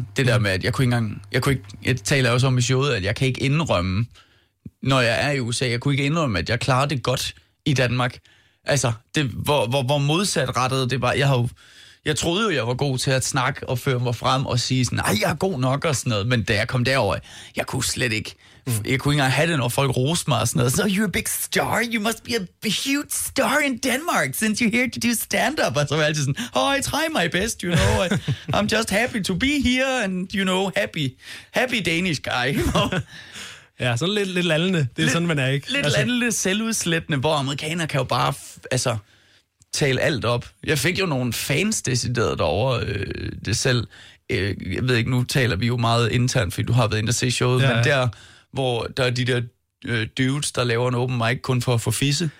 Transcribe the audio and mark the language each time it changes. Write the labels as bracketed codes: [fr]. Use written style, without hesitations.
[da] Det der med, at jeg taler også om i showet, at jeg kan ikke indrømme, når jeg er i USA, jeg kunne ikke indrømme, at jeg klarer det godt i Danmark. Altså, det, hvor modsat rettet det var, jeg troede jo, jeg var god til at snakke og føre mig frem og sige sådan, nej, jeg er god nok og sådan noget. Men da jeg kom derover, jeg kunne slet ikke. Jeg kunne ikke engang have det, når folk roste mig og sådan noget. [en] So you're a big star. You must be a huge star in Denmark, since you're here to do stand-up. [da] Og så var jeg altid sådan, [en] oh, I try my best, you know. I'm just happy to be here and, you know, happy. Happy Danish guy. [da] Ja, sådan lidt lallende. Det er sådan, man er, ikke? Lidt altså... lallende, selvudslættende, hvor amerikanere kan jo bare, altså... tale alt op. Jeg fik jo nogle fans decideret derovre det selv. Jeg ved ikke, nu taler vi jo meget internt, fordi du har været inde og se showet, ja, men der, hvor der er de der dudes, der laver en open mic kun for at få fisse.